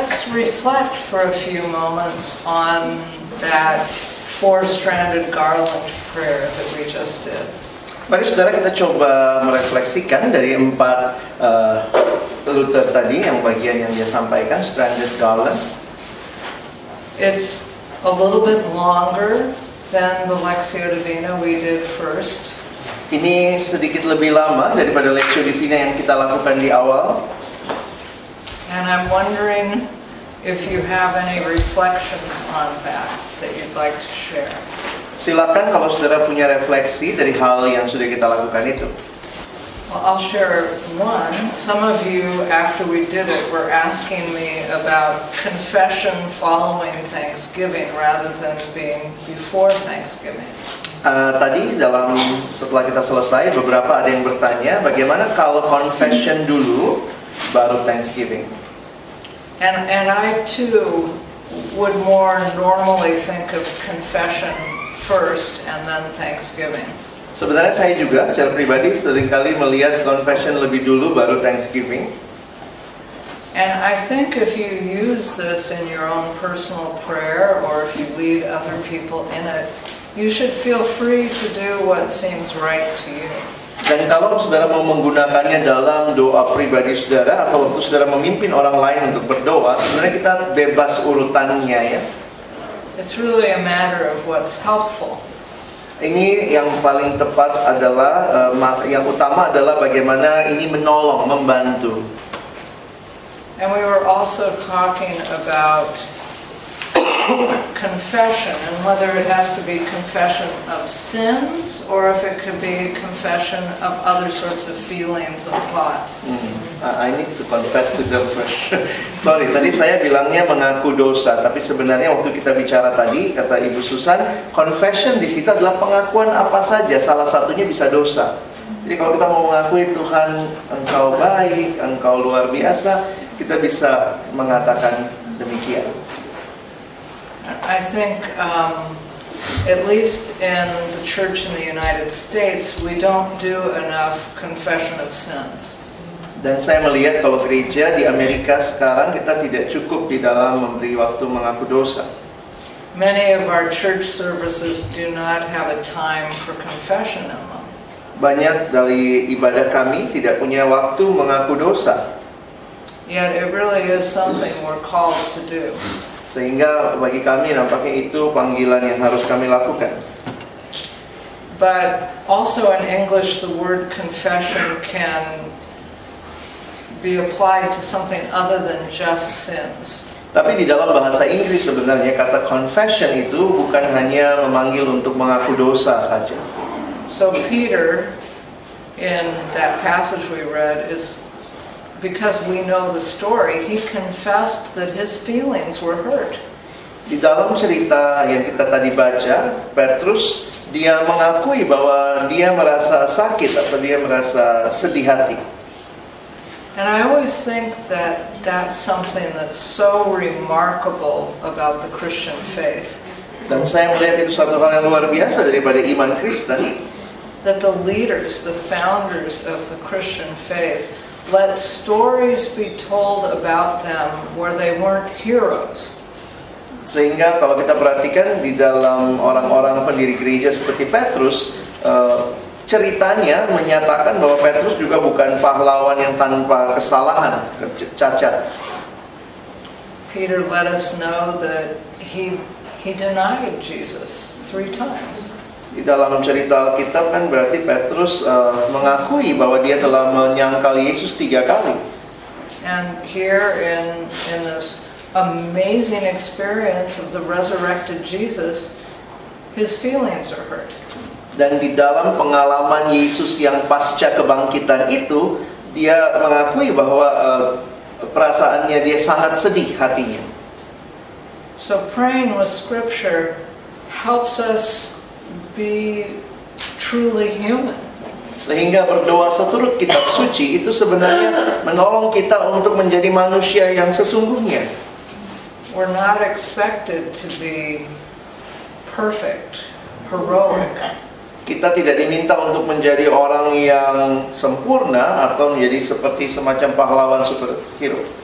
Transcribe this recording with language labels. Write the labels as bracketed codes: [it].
[en] Reflect for a few moments on that four-stranded garland prayer that we just did. [id] Mari saudara kita coba merefleksikan dari empat Luther tadi yang bagian yang dia sampaikan, [en] stranded garland. It's a little bit longer than the Lectio Divina we did first. [id] Ini sedikit lebih lama daripada Lectio Divina yang kita lakukan di awal. [en] And I'm wondering if you have any reflections on that that you'd like to share. [id] Silakan kalau saudara punya refleksi dari hal yang sudah kita lakukan itu. [en] Well, I'll share one. Some of you, after we did it, were asking me about confession following Thanksgiving rather than being before Thanksgiving. [id] Tadi dalam setelah kita selesai, beberapa ada yang bertanya bagaimana kalau confession dulu baru Thanksgiving. [en] And I too would more normally think of confession first and then Thanksgiving. [id] Sebenarnya saya juga secara pribadi seringkali melihat confession lebih dulu baru Thanksgiving. [en] And I think if you use this in your own personal prayer or if you lead other people in it, you should feel free to do what seems right to you. [id] Dan kalau saudara mau menggunakannya dalam doa pribadi saudara atau waktu saudara memimpin orang lain untuk berdoa, sebenarnya kita bebas urutannya ya. [en] It's really a matter of what's helpful. [id] Ini yang paling tepat adalah yang utama adalah bagaimana ini menolong, membantu. [en] And we were also talking about confession and whether it has to be confession of sins or if it could be confession of other sorts of feelings and thoughts. I need to confess to them first. [id] Sorry, tadi saya bilangnya mengaku dosa, tapi sebenarnya waktu kita bicara tadi kata Ibu Susan, confession di situ adalah pengakuan apa saja, salah satunya bisa dosa. Jadi kalau kita mau mengakui Tuhan engkau baik, engkau luar biasa, kita bisa mengatakan demikian. [en] I think at least in the church in the United States we don't do enough confession of sins. [id] Dan saya melihat kalau gereja di Amerika sekarang kita tidak cukup di dalam memberi waktu mengaku dosa. [en] Many of our church services do not have a time for confession in them. [id] Banyak dari ibadah kami tidak punya waktu mengaku dosa. [en] Yet it really is something we're called to do. [id] Sehingga bagi kami nampaknya itu panggilan yang harus kami lakukan. [en] But also in English the word confession can be applied to something other than just sins. [id] Tapi di dalam bahasa Inggris sebenarnya kata confession itu bukan hanya memanggil untuk mengaku dosa saja. [en] So Peter in that passage we read is, because we know the story, he confessed that his feelings were hurt. [id] Di dalam cerita yang kita tadi baca, Petrus dia mengakui bahwa dia merasa sakit atau dia merasa sedih hati. [en] And I always think that that's something that's so remarkable about the Christian faith. [id] Dan saya melihat itu satu hal yang luar biasa daripada iman Kristen. [en] That the leaders, the founders of the Christian faith, let stories be told about them where they weren't heroes. [id] Sehingga kalau kita perhatikan di dalam orang-orang pendiri gereja seperti Petrus, ceritanya menyatakan bahwa Petrus juga bukan pahlawan yang tanpa kesalahan, cacat. [en] Peter let us know that he denied Jesus 3 times. [id] Di dalam cerita Alkitab kan berarti Petrus mengakui bahwa dia telah menyangkal Yesus 3 kali. [en] And here in this amazing experience of the resurrected Jesus, his feelings are hurt. [id] Dan di dalam pengalaman Yesus yang pasca kebangkitan itu, dia mengakui bahwa perasaannya dia sangat sedih hatinya. [en] So praying with scripture helps us be truly human. [id] Sehingga berdoa seturut kitab suci itu sebenarnya menolong kita untuk menjadi manusia yang sesungguhnya. [en] We're not expected to be perfect, heroic. [id] Kita tidak diminta untuk menjadi orang yang sempurna atau menjadi seperti semacam pahlawan superhero.